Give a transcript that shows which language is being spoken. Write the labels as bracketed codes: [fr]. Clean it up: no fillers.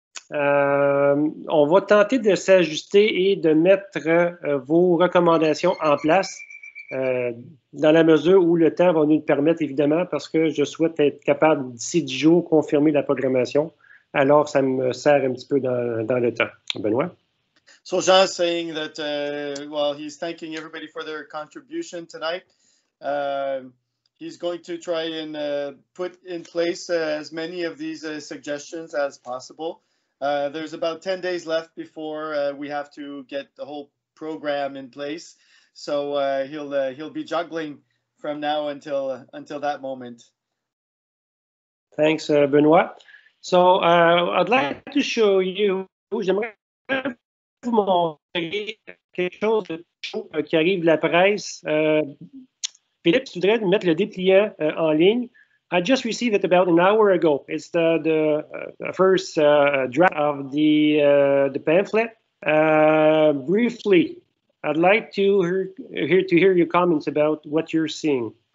[fr] On va tenter de s'ajuster et de mettre vos recommandations en place dans la mesure où le temps va nous le permettre, évidemment, parce que je souhaite être capable d'ici 10 jours confirmer la programmation. Alors, ça me sert un petit peu dans le temps. Benoît? [en] So Jean is saying that, he's thanking everybody for their contribution tonight. He's going to try and put in place as many of these suggestions as possible. There's about 10 days left before we have to get the whole program in place. So he'll be juggling from now until that moment. Thanks, Benoît. So I'd like to show you, [fr] j'aimerais vous montrer quelque chose qui arrive la presse. Philippe, tu voudrais mettre le dépliant en ligne. [en] I just received it about an hour ago. It's the first draft of the pamphlet. Briefly, I'd like to hear your comments about what you're seeing.